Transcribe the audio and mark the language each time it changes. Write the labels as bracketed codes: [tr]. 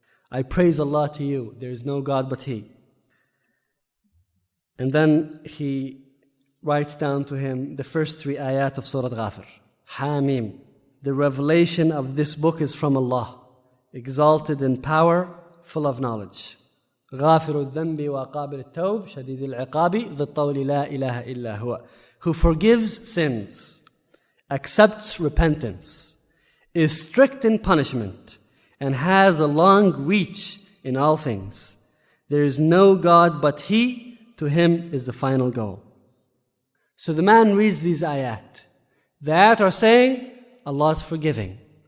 [en] I praise Allah to you, there is no God but He. And then he writes down to him the first three ayat of Surah Ghafir. Hamim, the revelation of this book is from Allah. Exalted in power, full of knowledge. [ar] غافر الذنب وقابل التوب شديد العقاب ذو الطول لا إله إلا هو. [en] Who forgives sins, accepts repentance, is strict in punishment, and has a long reach in all things. There is no God but He, to Him is the final goal. So the man reads these ayat. That are saying, Allah is forgiving.